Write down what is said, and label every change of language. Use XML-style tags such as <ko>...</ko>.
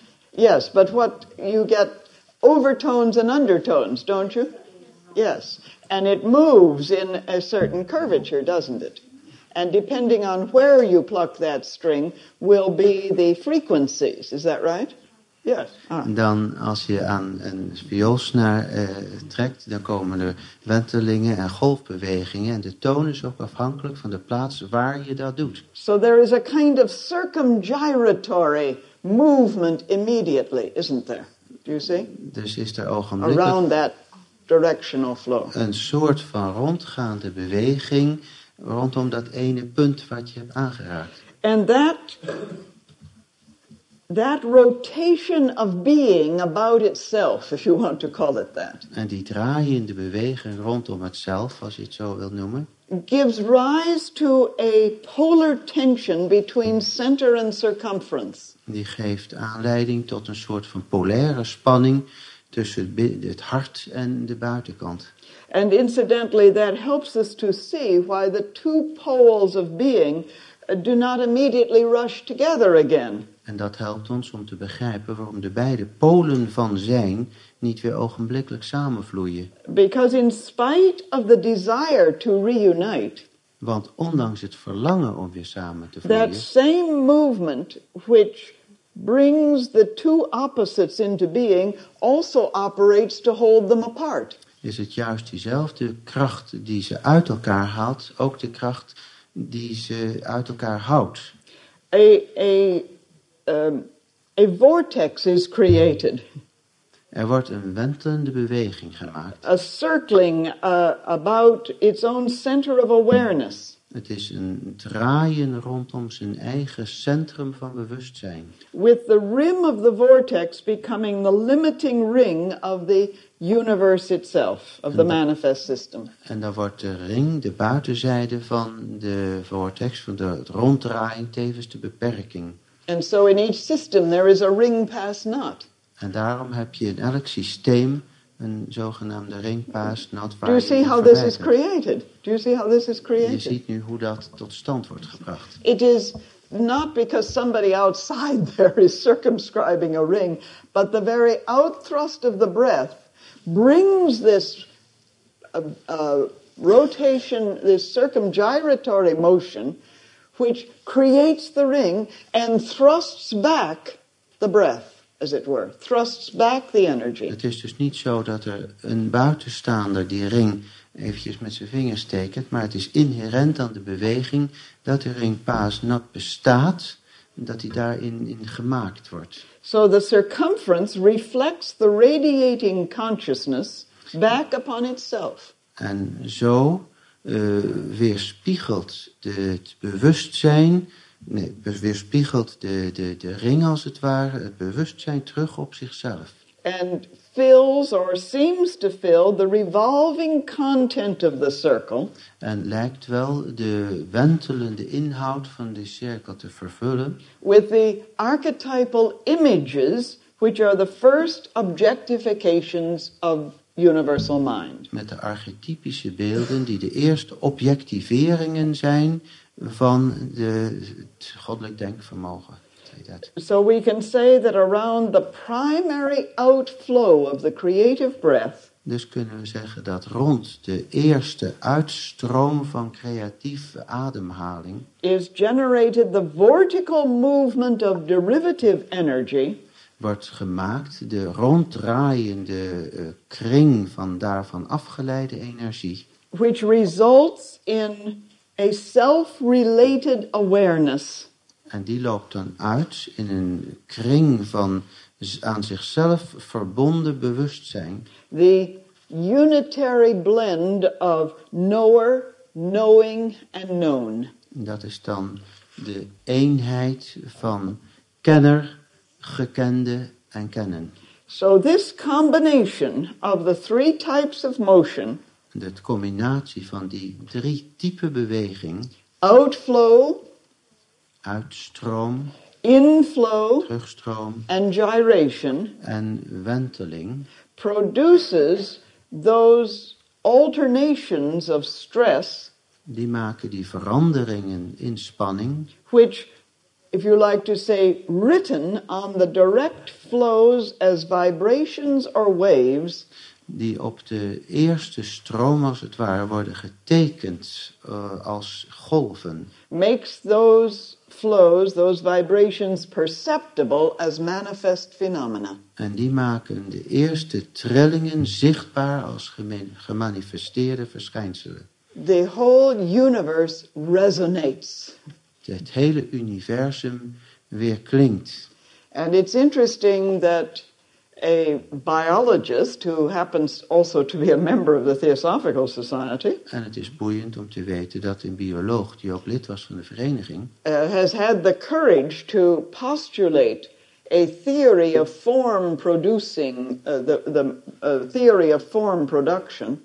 <en>Yes, but what you get, overtones and undertones, don't you? Yes. And it moves in a certain curvature, doesn't it? And depending on where you pluck that string will be the frequencies. Is that right? Yes. Ah.</en> <nl>Dan als je aan een vioolsnaar trekt, dan komen er wentelingen en golfbewegingen. En de toon is ook afhankelijk van de plaats waar je dat doet.</nl> <en>So there is a kind of circumgyratory movement immediately, isn't there?</en> <nl>Dus is er ogenblikkelijk</nl> <en>around that directional flow,</en> <nl>een soort van rondgaande beweging rondom dat ene punt wat je hebt aangeraakt.</nl> <en>And that rotation of being about itself, if you want to call it that.</en> <nl>En die draaiende beweging rondom het zelf, als je het zo wil noemen,</nl> <en>gives rise to a polar tension between center and circumference.</en> <nl>Die geeft aanleiding tot een soort van polaire spanning tussen het hart en de buitenkant.</nl> <en>And incidentally, that helps us to see why the two poles of being do not immediately rush together again.</en> <nl>En dat helpt ons om te begrijpen waarom de beide polen van zijn niet weer ogenblikkelijk samenvloeien.</nl> <en>Because in spite of the desire to reunite,</en> <nl>want ondanks het verlangen om weer samen te vloeien,</nl> <en>that same movement which brings the two opposites into being also operates to hold them apart.</en> <nl>Is het juist diezelfde kracht die ze uit elkaar haalt, ook de kracht die ze uit elkaar houdt.</nl> <en>A A vortex is created.</en> <nl>Er wordt een wentelende beweging gemaakt.</nl> <en>A circling about its own center of awareness.</en> <nl>Het is een draaien rondom zijn eigen centrum van bewustzijn.</nl> <en>With the rim of the vortex becoming the limiting ring of the universe itself, of the manifest system.</en> <nl>En dan wordt de ring, de buitenzijde van de vortex, van de ronddraaien, tevens de beperking.</nl> <en>And so in each system there is a ring pass knot.</en> <nl>En daarom heb je in elk systeem een zogenaamde ringpaas, not waar.</nl> <en>Do you see how this is created? Do you see how this is created?</en> <nl>Je ziet nu hoe dat tot stand wordt gebracht.</nl> <en>It is not because somebody outside there is circumscribing a ring, but the very outthrust of the breath brings this rotation, this circumgyratory motion, which creates the ring and thrusts back the breath. As it were, thrusts back the energy.</en> <nl>Het is dus niet zo dat er een buitenstaander die ring eventjes met zijn vingers tekent, maar het is inherent aan de beweging dat de ring pas nat bestaat, dat die daarin in gemaakt wordt.</nl> <en>So the circumference reflects the radiating consciousness back upon itself.</en> <nl>En zo weerspiegelt het bewustzijn. Nee, weerspiegelt de ring als het ware het bewustzijn terug op zichzelf.</nl> <en>And fills or seems to fill the revolving content of the circle.</en> <nl>En lijkt wel de wentelende inhoud van de cirkel te vervullen.</nl> <en>With the archetypal images which are the first objectifications of universal mind.</en> <nl>Met de archetypische beelden die de eerste objectiveringen zijn van het goddelijk denkvermogen.</nl> <en>So we can say that around the primary outflow of the creative breath.</en> <nl>Dus kunnen we zeggen dat rond de eerste uitstroom van creatieve ademhaling</nl> <en>is generated the vortical movement of derivative energy.</en> <nl>Wordt gemaakt de ronddraaiende kring van daarvan afgeleide energie.</nl> <en>Which results in a self-related awareness.</en> <nl>En die loopt dan uit in een kring van aan zichzelf verbonden bewustzijn.</nl> <en>The unitary blend of knower, knowing and known.</en> <nl>Dat is dan de eenheid van kenner, gekende en kennen.</nl> <en>So this combination of the three types of motion.</en> <nl>De combinatie van die drie typen beweging.</nl> <en>Outflow.</en> <nl>Uitstroom.</nl> <en>Inflow.</en> <nl>Terugstroom.</nl> <en>And gyration.</en> <nl>En wenteling.</nl> <en>Produces those alternations of stress.</en> <nl>Die maken die veranderingen in spanning.</nl> <en>Which, if you like to say, written on the direct flows as vibrations or waves.</en> <nl>Die op de eerste stroom, als het ware, worden getekend als golven.</nl> <en>Makes those flows, those vibrations, perceptible as manifest phenomena.</en> <nl>En die maken de eerste trillingen zichtbaar als gemanifesteerde verschijnselen.</nl> <en>The whole universe resonates.</en> <nl>Het hele universum weerklinkt.</nl> <en>And it's interesting that a biologist who happens also to be a member of the Theosophical Society.</en> <nl>En het is boeiend om te weten dat een bioloog die ook lid was van de vereniging</nl> <en>has had the courage to postulate a theory of form producing theory of form production.</en>